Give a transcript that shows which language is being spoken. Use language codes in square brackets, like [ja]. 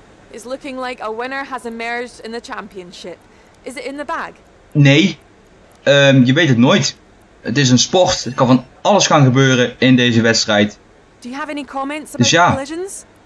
[en] It's looking like a winner has emerged in the championship. Is it in the bag? [nl] Nee. Je weet het nooit. Het is een sport. Het kan van alles gaan gebeuren in deze wedstrijd. [en] Do you have any comments about the collisions?